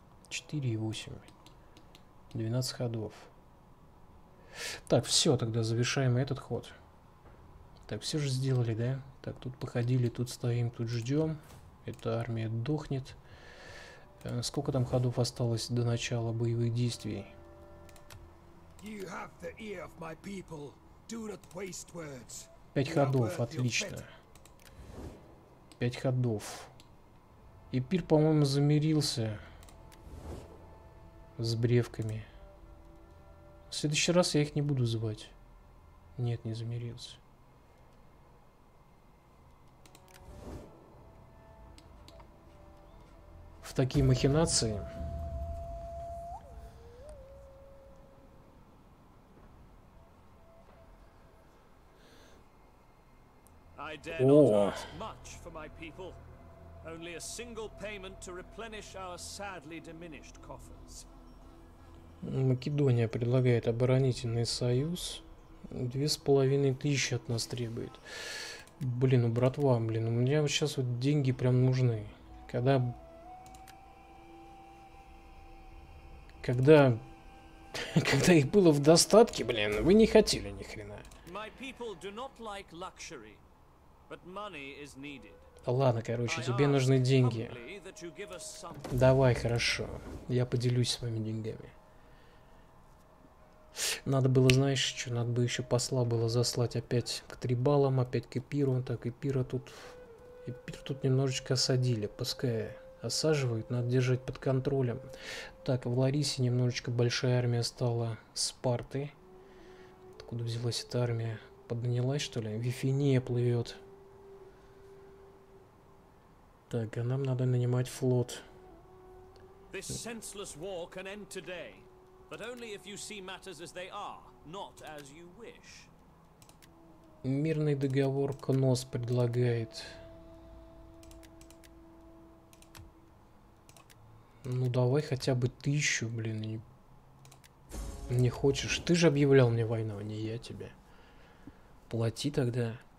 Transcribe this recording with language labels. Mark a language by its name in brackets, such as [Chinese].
[Russian] 4,8. 12 ходов. Так, все, тогда завершаем этот ход. Так, все же сделали, да? Так, тут походили, тут стоим, тут ждем. Эта армия дохнет. Сколько там ходов осталось до начала боевых действий? [English] You have the ear of my people. Do not waste words. [Russian] 5 ходов, отлично. 5 ходов. И пир, по-моему, замирился с бревками. В следующий раз я их не буду звать. Нет, не замирился. В такие махинации. [English] О. Much for my people. Only a single payment to replenish our sadly diminished coffers. [Russian] Македония предлагает оборонительный союз. 2500 от нас требует. Блин, ну братва, блин, у меня вот сейчас вот деньги прям нужны. Когда их было в достатке, блин, вы не хотели ни хрена. [English] My people do not like luxury. But money is needed. [Russian] Ладно, короче, тебе нужны деньги. Давай, хорошо. Я поделюсь с вами деньгами. Надо было, знаешь, что? Надо бы еще посла было заслать опять к трибалам, опять к эпиру. Так, эпира тут... Эпир тут немножечко осадили. Пускай осаживают. Надо держать под контролем. Так, в Ларисе немножечко большая армия стала. Спарты. Откуда взялась эта армия? Поднялась, что ли? Вифиния плывет. Так, а нам надо нанимать флот. [English] This senseless war can end today, but only if you see matters as they are, not as you wish. [Russian] Мирный договор Кнос предлагает. Ну давай хотя бы 1000, блин, не хочешь? Ты же объявлял мне войну, а не я тебе. Плати тогда.